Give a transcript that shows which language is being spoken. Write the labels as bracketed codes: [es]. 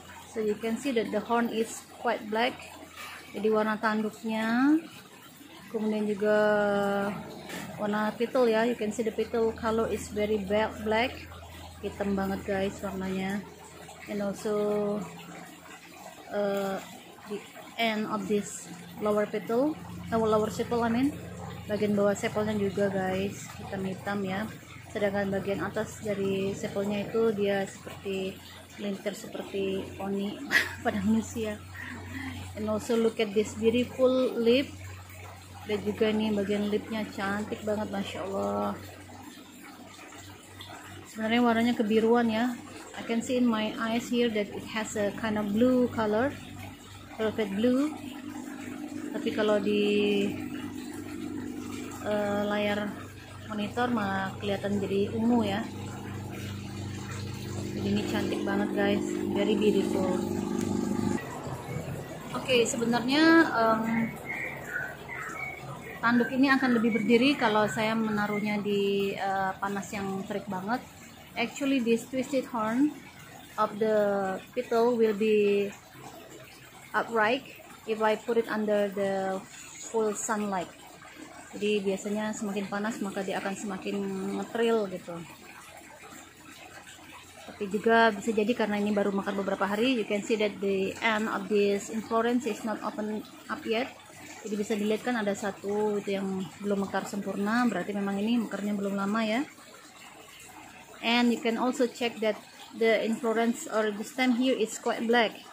[en] So you can see that the horn is quite black. [id] Jadi warna tanduknya, kemudian juga warna petal ya. You can see the petal color is very black. Hitam banget guys warnanya. [en] And also the end of this lower petal, lower sepal, [id] bagian bawah sepalnya juga guys hitam ya, sedangkan bagian atas dari sepalnya itu dia seperti lintir seperti poni pada manusia. [en] And also look at this beautiful lip, [id] dan juga ini bagian lipnya cantik banget, masya Allah. Sebenarnya warnanya kebiruan ya. [en] I can see in my eyes here that it has a kind of blue color, velvet blue. [id] Tapi kalau di layar monitor malah kelihatan jadi ungu ya. Jadi ini cantik banget guys, [en] very beautiful. [id] Okay, sebenarnya tanduk ini akan lebih berdiri kalau saya menaruhnya di panas yang terik banget. [en] Actually this twisted horn of the petal will be upright if I put it under the full sunlight. [id] Jadi biasanya semakin panas maka dia akan semakin ngetril gitu. Tapi juga bisa jadi karena ini baru makan beberapa hari, [en] you can see that the end of this inflorescence is not open up yet. [id] Jadi bisa dilihat kan ada satu itu yang belum mekar sempurna, berarti memang ini mekarnya belum lama ya. [en] And you can also check that the inflorescence or the stem here is quite black.